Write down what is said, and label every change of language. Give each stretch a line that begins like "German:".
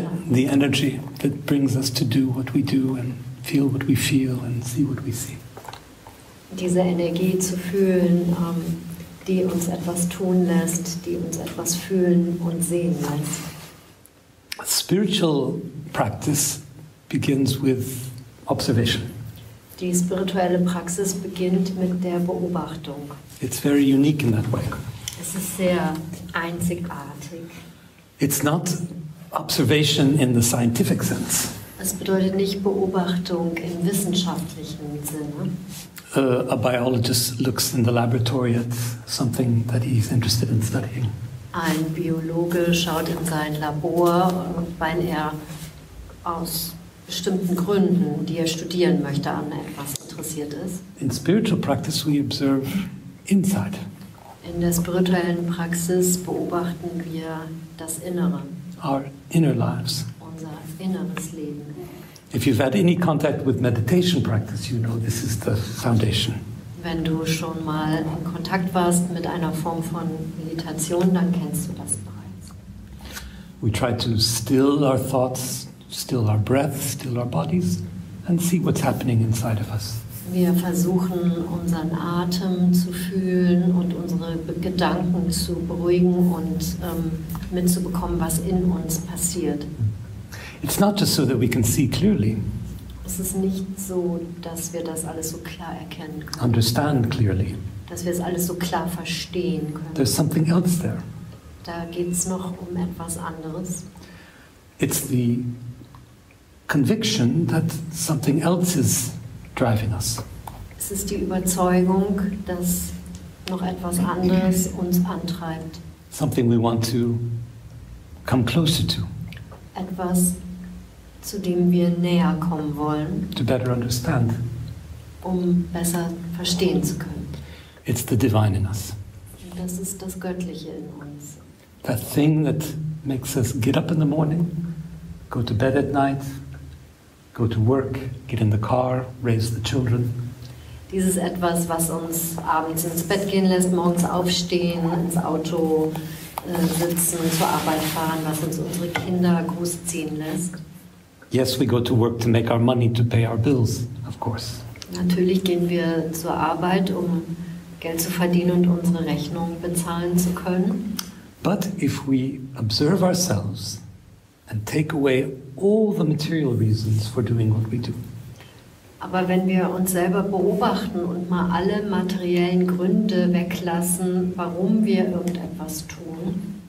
English: The energy that brings us to do what we do and feel what we feel and see what we see.
German: Diese Energie zu fühlen, die uns etwas tun lässt, die uns etwas fühlen und sehen lässt.
English: Spiritual practice begins with observation.
German: Die spirituelle Praxis beginnt mit der Beobachtung.
English: It's very unique in that way.
German: Es ist sehr einzigartig.
English: It's not observation in the scientific sense.
German: Es bedeutet nicht Beobachtung im wissenschaftlichen Sinne.
English: A biologist looks in the laboratory at something that he's interested in studying.
German: Ein Biologe schaut in sein Labor, weil er aus bestimmten Gründen, die er studieren möchte, an etwas interessiert ist.
English: In spiritual practice we observe inside.
German: In der spirituellen Praxis beobachten wir das Innere.
English: Our inner lives.
German: Unser inneres Leben.
English: If you've had any contact with meditation practice, you know this is the foundation.
German: Wenn du schon mal in Kontakt warst mit einer Form von Meditation, dann kennst du das bereits.
English: We try to still our thoughts, still our breath, still our bodies, and see what's happening inside of us.
German: Wir versuchen, unseren Atem zu fühlen und unsere Gedanken zu beruhigen und mitzubekommen, was in uns passiert.
English: It's not just so that we can see clearly.
German: Es ist nicht so, dass wir das alles so klar erkennen können.
English: Understand clearly.
German: Dass wir es alles so klar verstehen können.
English: There's something else there.
German: Da geht's noch um etwas anderes.
English: It's the conviction that something else is driving us.
German: Es ist die Überzeugung, dass noch etwas anderes uns antreibt.
English: Something we want to come closer to.
German: Etwas, zu dem wir näher kommen wollen.
English: To better understand.
German: Um besser verstehen zu können.
English: It's the divine in us.
German: Das ist das Göttliche in uns.
English: That thing that makes us get up in the morning, go to bed at night, go to work, get in the car, raise the children.
German: Dieses Etwas, was uns abends ins Bett gehen lässt, morgens aufstehen, ins Auto sitzen, zur Arbeit fahren, was uns unsere Kinder großziehen lässt.
English: Yes, we go to work to make our money to pay our bills, of course.
German: Natürlich gehen wir zur Arbeit, um Geld zu verdienen und unsere Rechnungen bezahlen zu können.
English: But if we observe ourselves and take away all the material reasons for doing what we do.
German: Aber wenn wir uns selber beobachten und mal alle materiellen Gründe weglassen, warum wir irgendetwas tun.